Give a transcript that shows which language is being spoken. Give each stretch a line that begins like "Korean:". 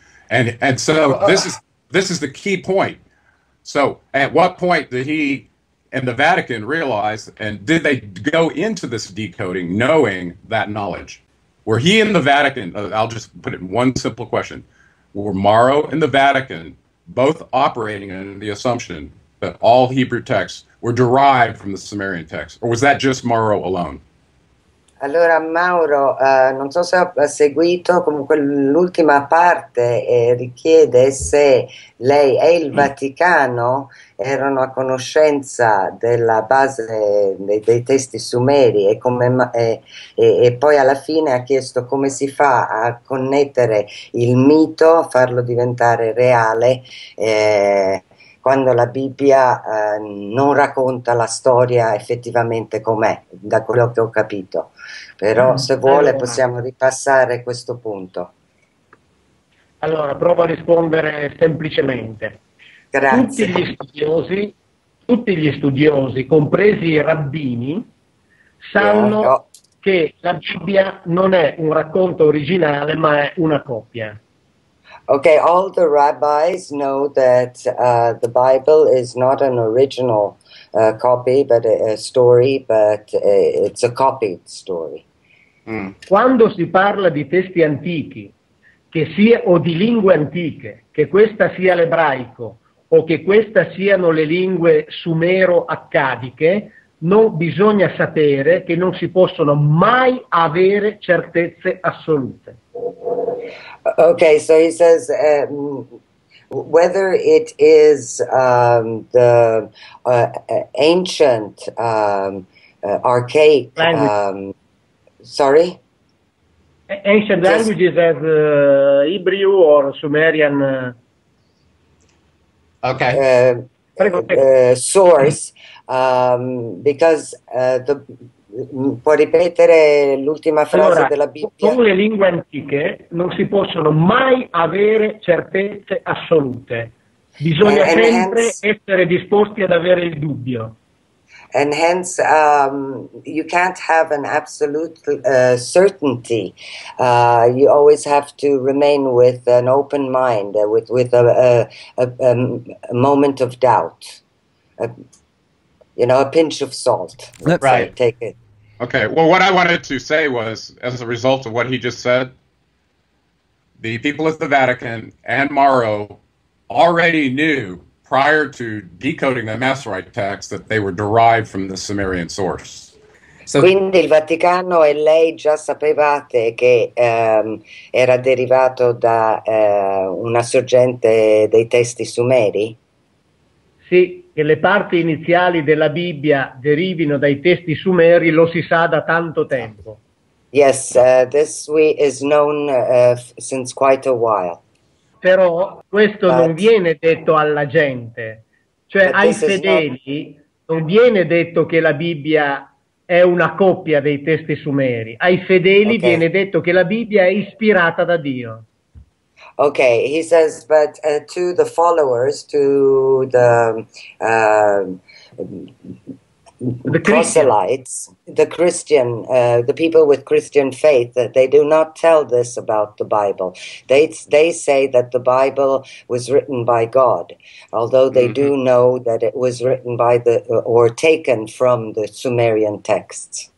English: And so this is the key point. So at what point did he and the Vatican realized, and did they go into this decoding knowing that knowledge? Were he and the Vatican, I'll just put it in one simple question, were Mauro and the Vatican both operating under the assumption that all Hebrew texts were derived from the Sumerian text, or was that just Mauro alone?
Italian: Allora Mauro, non so se ha seguito, comunque l'ultima parte richiede se lei e il Vaticano erano a conoscenza della base dei testi sumeri e poi alla fine ha chiesto come si fa a connettere il mito, a farlo diventare reale quando la Bibbia non racconta la storia effettivamente com'è, da quello che ho capito. Però se vuole allora, possiamo ripassare questo punto. Allora, provo a rispondere semplicemente. Grazie. Tutti gli studiosi, tutti gli studiosi, compresi i rabbini, sanno che la Bibbia non è un racconto originale, ma è una copia.
English: Okay, all the rabbis know that the Bible is not an original copy, but a story, but it's a copied story. Mm.
Italian: Quando si parla di testi antichi, che sia o di lingue antiche, che questa sia l'ebraico o che questa siano le lingue sumero-accadiche, non bisogna sapere che non si possono mai avere certezze assolute.
English: Okay, so he says whether it is the ancient archaic language. Sorry? Ancient languages as Hebrew or Sumerian. Okay. Source, because the
Italian: può ripetere l'ultima frase allora, della Bibbia? Con le lingue antiche non si possono mai avere certezze assolute. Bisogna sempre essere disposti ad avere il dubbio.
English: And hence, you can't have an absolute certainty. You always have to remain with an open mind, with a moment of doubt. A pinch of salt. That's right. Take it. Okay. Well, what I wanted to say was, as a result of what he just said, the people of the Vatican and Mauro already knew prior to decoding the Masoretic text that they were derived from the Sumerian source.
Italian: So, quindi il Vaticano e lei già sapevate che era derivato da una sorgente dei testi sumeri? Sì, che le parti iniziali della Bibbia derivino dai testi sumeri lo si sa da tanto tempo.
English: Yes, this is known since quite a while.
Italian: Però questo non viene detto alla gente, cioè ai fedeli non viene detto che la Bibbia è una copia dei testi sumeri, ai fedeli viene detto che la Bibbia è ispirata da Dio.
English: Okay, he says, but to the followers, to the proselytes, the Christian, the people with Christian faith, that they do not tell this about the Bible. They say that the Bible was written by God, although they do know that it was written by the, or taken from the Sumerian texts.